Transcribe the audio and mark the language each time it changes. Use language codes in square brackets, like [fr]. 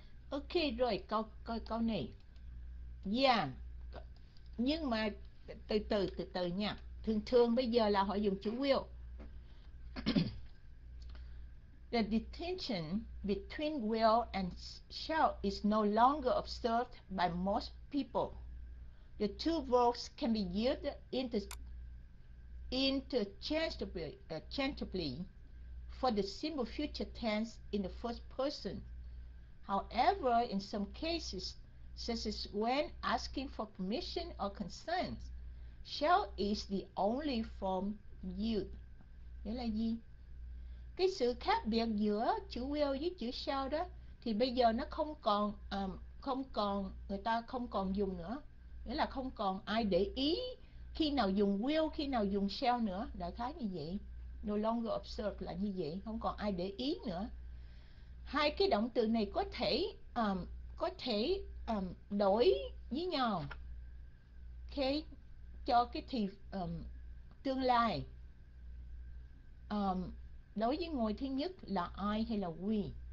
[vi] Ok rồi, câu này. Nhưng mà từ từ nha. Thường thường bây giờ là họ dùng chữ will. [en] The distinction between will and shall is no longer observed by most people. The two verbs can be used interchangeably for the simple future tense in the first person. However, in some cases, such as when asking for permission or consent, shall is the only form used. [vi] Nghĩa là gì? Cái sự khác biệt giữa chữ will với chữ shall đó, thì bây giờ nó không còn người ta không còn dùng nữa. Nghĩa là không còn ai để ý khi nào dùng will, khi nào dùng shall nữa. Đại khái như vậy. [en] No longer observed [vi] là như vậy. Không còn ai để ý nữa. Hai cái động từ này có thể đổi với nhau, okay, cho cái thì tương lai, đối với ngôi thứ nhất là I hay là we.